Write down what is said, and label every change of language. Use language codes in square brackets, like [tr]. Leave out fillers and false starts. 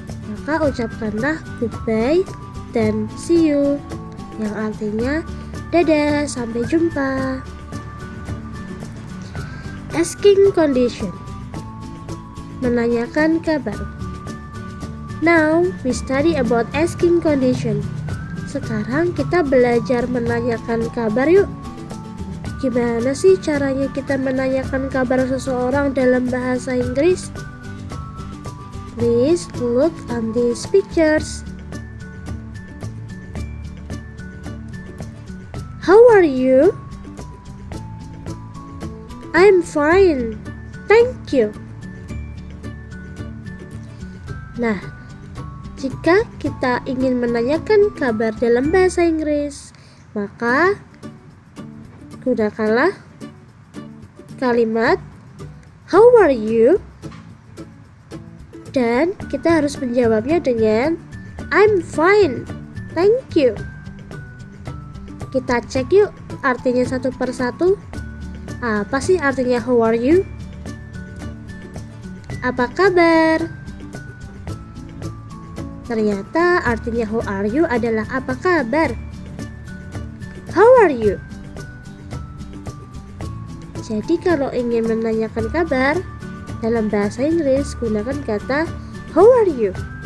[id] Maka ucapkanlah goodbye dan [en] see you, [id] yang artinya dadah, sampai jumpa. [en] Asking condition, [id] menanyakan kabar. [en] Now we study about asking condition. [id] Sekarang kita belajar menanyakan kabar yuk. Gimana sih caranya kita menanyakan kabar seseorang dalam bahasa Inggris? [en] Please look on these pictures. How are you? I'm fine, thank you. [id] Nah, jika kita ingin menanyakan kabar dalam bahasa Inggris, maka gunakanlah kalimat [en] How are you? [id] Dan kita harus menjawabnya dengan [en] I'm fine, thank you. [id] Kita cek yuk artinya satu per satu. Apa sih artinya [en] how are you? [id] Apa kabar? Ternyata artinya [en] how are you [id] adalah apa kabar? [en] How are you? [id] Jadi kalau ingin menanyakan kabar dalam bahasa Inggris gunakan kata [en] How are you?